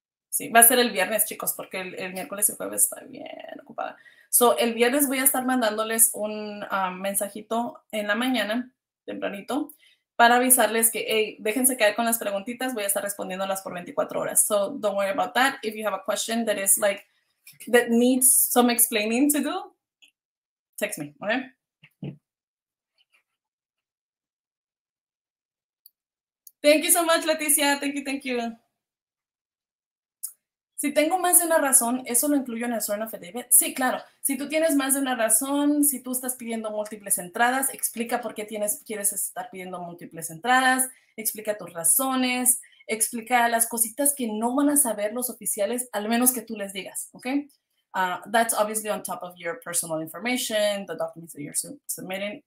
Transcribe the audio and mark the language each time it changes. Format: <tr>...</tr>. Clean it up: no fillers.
<es>Sí, va a ser el viernes, chicos, porque el miércoles y jueves está bien ocupada. So, el viernes voy a estar mandándoles un mensajito en la mañana, tempranito, para avisarles que, hey, déjense caer con las preguntitas, voy a estar respondiéndolas por 24 horas.</es> <en>So, don't worry about that. If you have a question that is like, that needs some explaining to do, text me, okay? Thank you so much, Leticia. Thank you.</en> <es>Si tengo más de una razón, ¿eso lo incluyo en el sworn affidavit? Sí, claro. Si tú tienes más de una razón, si tú estás pidiendo múltiples entradas, explica por qué quieres estar pidiendo múltiples entradas, explica tus razones, explica las cositas que no van a saber los oficiales, al menos que tú les digas, ¿ok?</es> <en>That's obviously on top of your personal information, the documents that you're submitting.</en>